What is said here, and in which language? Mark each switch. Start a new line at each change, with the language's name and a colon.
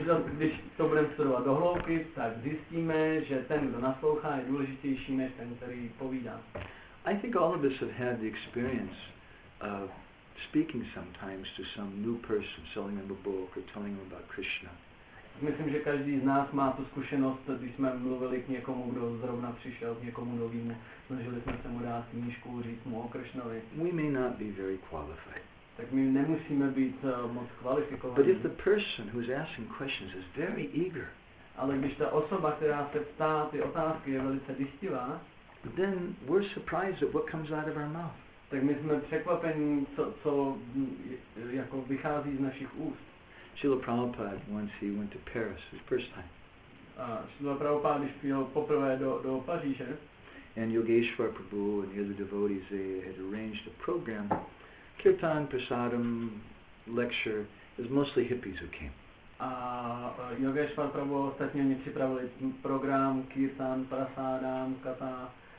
Czech: Když to budeme studovat do hloubky, tak zjistíme, že ten, kdo naslouchá, je důležitější než ten, který povídá.
English: I think all of us have had the experience of speaking sometimes to some new person, selling them a book or telling them about Krishna.
Czech: Myslím, že každý z nás má tu zkušenost, když jsme mluvili k někomu, kdo zrovna přišel, k někomu novýmu, snažili jsme se mu dát knížku, říct mu o Krishnovi.
English: We may not be very qualified.
Czech: Tak my nemusíme být moc kvalifikovaní.
English: But if the person who is asking questions is very eager,
Czech: ale když ta osoba, která se ptá ty otázky, je velice dychtivá,
English: then we're surprised at what comes out of our mouth.
Czech: Tak my jsme překvapení, co jako vychází z našich úst.
English: Srila Prabhupada, once he went to Paris, his first time.
Czech: Srila Prabhupada, když přijel poprvé do Paříže.
English: And Yogeshwar Prabhu and the other devotees, they had arranged a program, kirtan, prasadam, lecture. It was mostly hippies who came.
Czech: A Yogeshwar Prabhu ostatně oni připravili program, kirtan, prasadam, kata.